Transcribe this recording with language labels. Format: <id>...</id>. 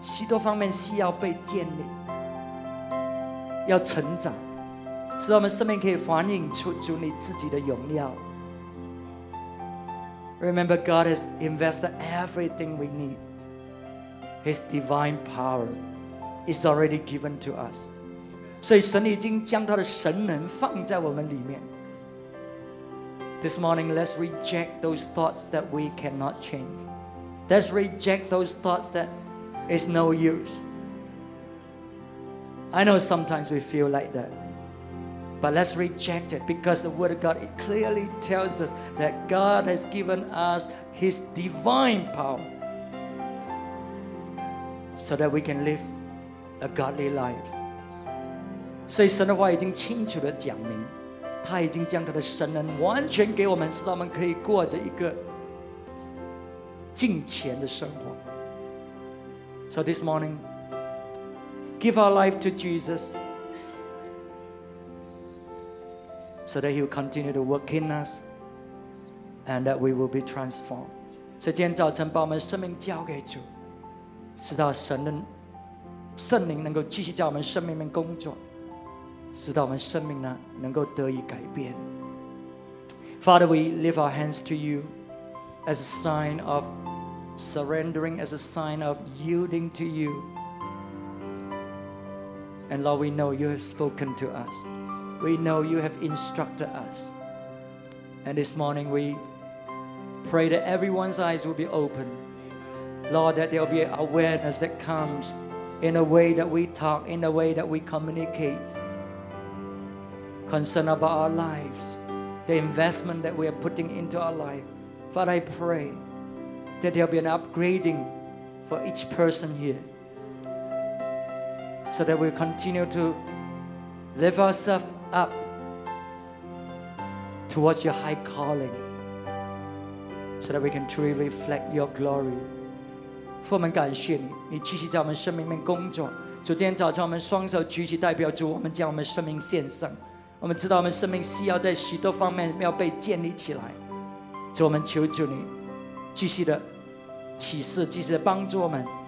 <zh>所以今天早晨当我们把双手举起来，我们要向主说，主啊，其实我们的生命许多方面需要被建立。要成长, 使我们生命可以反映出主你自己的荣耀。</zh> <en>Remember, God has invested everything we need. His divine power is already given to us.</en> <zh>所以神已经将他的神能放在我们里面。</zh> <en>This morning, let's reject those thoughts that we cannot change. Let's reject those thoughts that is no use. I know sometimes we feel like that, but let's reject it, because the Word of God, it clearly tells us that God has given us His divine power so that we can live a godly life.</en> <zh>所以神的话已经清楚地讲明, 祂已经将祂的神能完全给我们, 使我们可以过着一个敬虔的生活。</zh> <en>So this morning, give our life to Jesus so that He will continue to work in us and that we will be transformed.</en> <zh>所以今天早晨把我们生命交给主, 使到圣灵能够继续在我们生命里面工作, 使到我们生命能够得以改变。</zh> <en>Father, we lift our hands to you as a sign of surrendering, as a sign of yielding to you. And Lord, we know you have spoken to us. We know you have instructed us. And this morning we pray that everyone's eyes will be opened. Lord, that there will be awareness that comes in a way that we talk, in a way that we communicate. Concern about our lives, the investment that we are putting into our life. Father, I pray that there will be an upgrading for each person here, so that we continue to lift ourselves up towards your high calling, so that we can truly reflect your glory.</en> <zh>父，我们感谢你，你继续在我们生命里面工作。主，今天早晨我们双手举起，代表主，我们将我们生命献上。我们知道我们生命需要在许多方面要被建立起来。主，我们求主你继续的启示，继续的帮助我们。</zh>